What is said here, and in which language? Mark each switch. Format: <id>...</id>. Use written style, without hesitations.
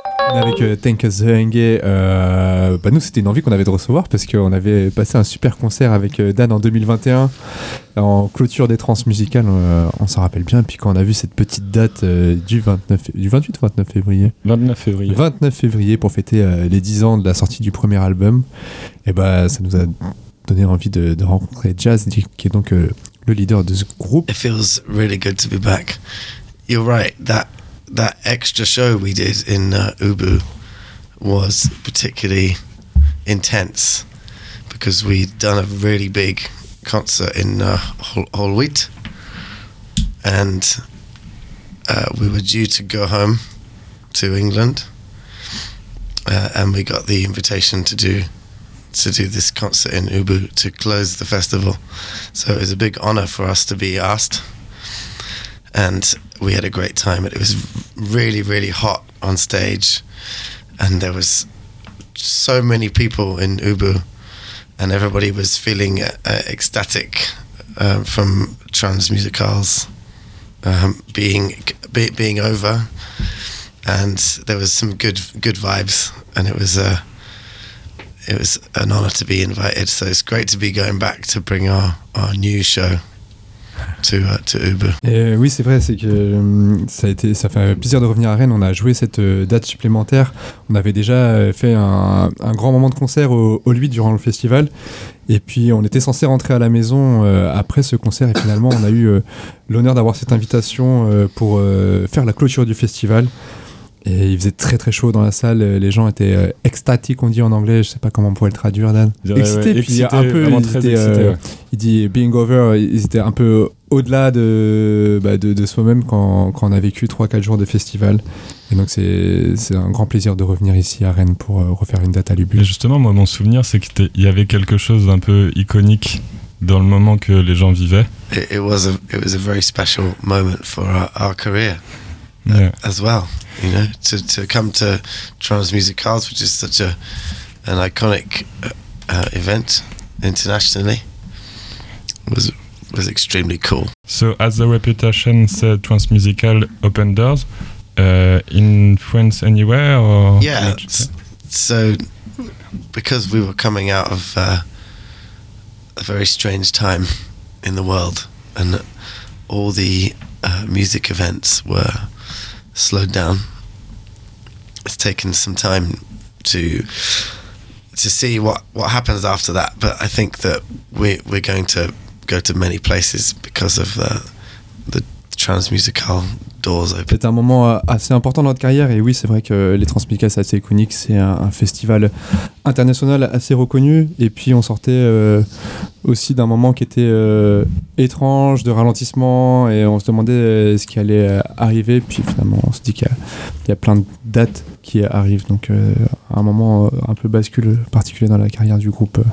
<fr>Avec Tank Zehenge, bah nous c'était une envie qu'on avait de recevoir parce qu'on avait passé un super concert avec Dan en 2021 en clôture des trans musicales, on s'en rappelle bien. Et puis quand on a vu cette petite date du 29 février pour fêter les 10 ans de la sortie du premier album, et bah ça nous a donné envie de rencontrer Jazz, qui est donc le leader de ce groupe.</fr> <en>It feels really good to be back. You're right, that extra show we did in Ubu was particularly intense because we'd done a really big concert in Holwheat, and we were due to go home to England, and we got the invitation to do this concert in Ubu to close the festival. So it was a big honor for us to be asked, and we had a great time. It was really, really hot on stage, and there was so many people in Ubu, and everybody was feeling ecstatic from Trans Musicales being over, and there was some good vibes, and it was an honor to be invited. So it's great to be going back to bring our new show to Ubu.</en> <fr>Oui, c'est vrai, c'est que ça fait plaisir de revenir à Rennes. On a joué cette date supplémentaire. On avait déjà fait un grand moment de concert au Lui durant le festival. Et puis on était censé rentrer à la maison après ce concert. Et finalement, on a eu l'honneur d'avoir cette invitation pour faire la clôture du festival. Et il faisait très très chaud dans la salle, les gens étaient extatiques, on dit en anglais, je sais pas comment on pourrait le traduire, Dan. Excités, puis excité, un peu, il dit</fr> <en>being over,</en> <fr>ils étaient un peu au-delà de soi-même quand on a vécu 3-4 jours de festival. Et donc c'est un grand plaisir de revenir ici à Rennes pour refaire une date à l'UBU. Justement, moi mon souvenir c'est qu'il y avait quelque chose d'un peu iconique dans le moment que les gens vivaient.</fr> <en>It was a very special moment for our career. Yeah. As well, you know, to come to Trans Musicales, which is such an iconic event internationally, was extremely cool. So as the reputation said, Trans Musical opened doors in France anywhere, or yeah. So because we were coming out of a very strange time in the world, and all the music events were slowed down. It's taken some time to see what happens after that, but I think that we're going to go to many places because of the Trans Musical doors open.</en> <fr>C'est un moment assez important dans notre carrière, et oui, c'est vrai que les Trans Musicales, c'est assez iconique, c'est un festival international assez reconnu, et puis on sortait aussi d'un moment qui était étrange, de ralentissement, et on se demandait ce qui allait arriver, puis finalement on se dit qu'il y a plein de dates qui arrivent, donc un moment un peu bascule, particulier dans la carrière du groupe.</fr>